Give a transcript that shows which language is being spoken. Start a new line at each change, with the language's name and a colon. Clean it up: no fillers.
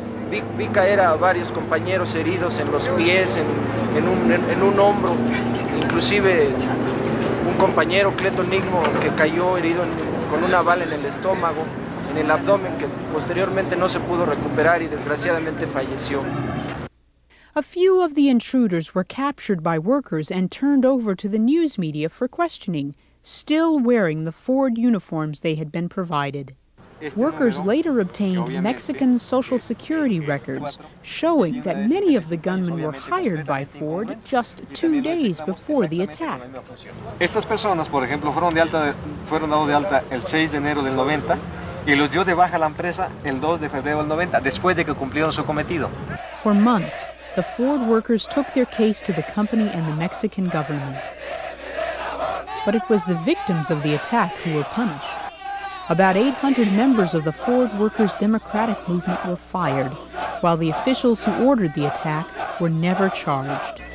Spanish: Vi caer a varios compañeros heridos en los pies, en un hombro, inclusive un compañero, Cleto Nigmo, que cayó herido con una bala en el estómago, en el abdomen, que posteriormente no se pudo recuperar y desgraciadamente falleció.
English: A few of the intruders were captured by workers and turned over to the news media for questioning, still wearing the Ford uniforms they had been provided. Workers later obtained Mexican Social Security records showing that many of the gunmen were hired by Ford just 2 days before the attack.
Spanish: Estas personas, por ejemplo, fueron dados de alta el 6 de enero del 90 y los dio de baja la empresa el 2 de febrero del 90, después de que cumplieron su cometido.
English: For months, the Ford workers took their case to the company and the Mexican government. But it was the victims of the attack who were punished. About 800 members of the Ford Workers' Democratic Movement were fired, while the officials who ordered the attack were never charged.